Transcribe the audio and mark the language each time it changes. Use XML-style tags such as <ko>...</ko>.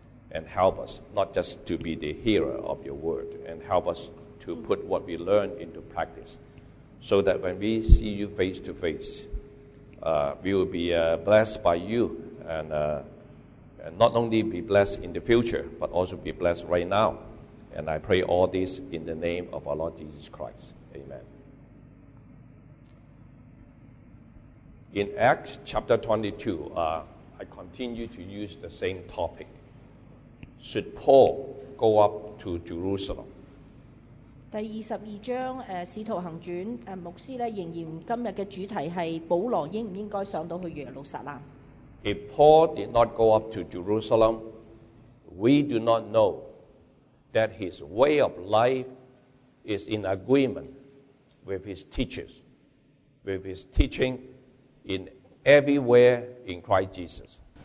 <en>And help us not just to be the hearer of your word, and help us to put what we learn into practice, so that when we see you face to face, we will be blessed by you, and not only be blessed in the future, but also be blessed right now. And I pray all this in the name of our Lord Jesus Christ. Amen. In Acts chapter 22, I continue to use the same topic. Should Paul go up to Jerusalem?</en> <zh>第22章, 使徒行傳, 牧師呢, 仍然今天的主題是, 保羅應不應該上到去耶路撒冷?</zh> <en>If Paul did not go up to Jerusalem, we do not know that his way of life is in agreement with his teachers, with his teaching in everywhere in Christ Jesus.</en>